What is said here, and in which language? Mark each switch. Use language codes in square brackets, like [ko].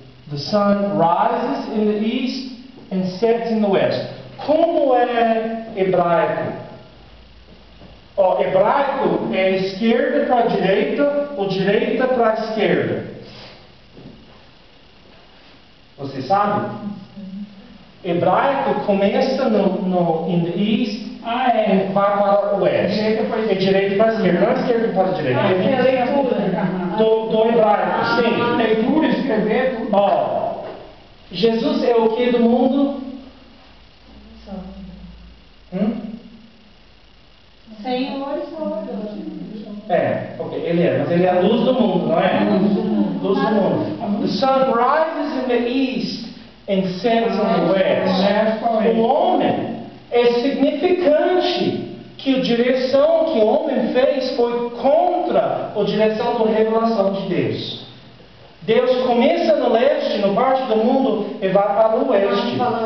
[en] The sun rises in the east and sets in the west. [pt] Como é hebraico? Ó, hebraico é esquerda para direita ou direita para esquerda? Você sabe? Hebraico começa no [en] in the east [pt] e vai para o west. É direita para esquerda, não é esquerda para direita. Ah, é a leitura. Do hebraico, sim. Leitura, escrever, tudo. Ó, Jesus é o que do mundo? Senhor e Salvador. É, ok, ele é, mas ele é a luz do mundo, não é? Luz do mundo. [en] The sun rises in the east and sets in the west. [pt] O homem é significante que a direção que o homem fez foi contra a direção da revelação de Deus. Deus começa no leste, no parte do mundo, e vai para o oeste.